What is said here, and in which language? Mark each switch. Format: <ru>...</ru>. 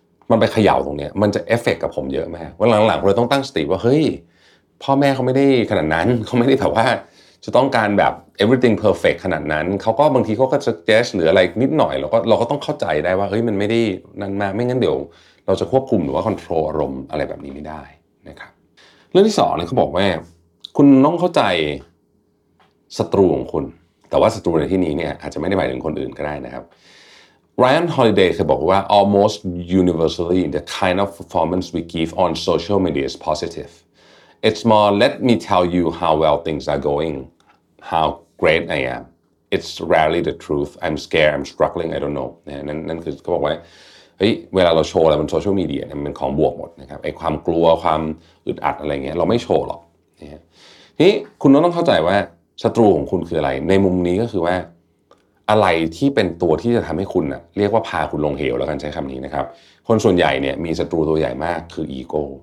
<th>มันไปเขย่าตรงนี้มันจะเอฟเฟกต์กับผมเยอะมากว่าหลังๆเราต้องตั้งสติว่าเฮ้ยพ่อแม่เขาไม่ได้ขนาดนั้นเขาไม่ได้แบบว่าจะต้องการแบบ</th> <en>everything perfect</en> <th>ขนาดนั้นเขาก็บางทีเขาก็ suggest หรืออะไรนิดหน่อยเราก็ต้องเข้าใจได้ว่าเฮ้ยมันไม่ได้นั่นมาไม่งั้นเดี๋ยวเราจะควบคุมหรือว่า control อารมณ์อะไรแบบนี้ไม่ได้นะครับเรื่องที่สองเนี่ยเขาบอกว่า คุณต้องเข้าใจศัตรูของคุณแต่ว่าศัตรูในที่นี้เนี่ยอาจจะไม่ได้หมายถึงคนอื่นก็ได้นะครับRyan Holiday เคยบอกว่า</th> <en>almost universally the kind of performance we give on social media is positive. It's more let me tell you how well things are going, how great I am. It's rarely the truth. I'm scared. I'm struggling. I don't know.</en> <th>นั่นคือเขาบอกว่าเวลาเราโชว์อะไรบนโซเชียลมีเดียเนี่ยมันของบวกหมดนะครับไอ้ความกลัวความอึดอัดอะไรเงี้ยเราไม่โชว์หรอกนี่คุณต้องเข้าใจว่าศัตรูของคุณคืออะไรในมุมนี้ก็คือว่าอะไรที่เป็นตัวที่จะทำให้คุณน่ะเรียกว่าพาคุณลงเหวแล้วกันใช้คำนี้นะครับคนส่วนใหญ่เนี่ยมีศัตรูตัวใหญ่มากคืออีโก้</th>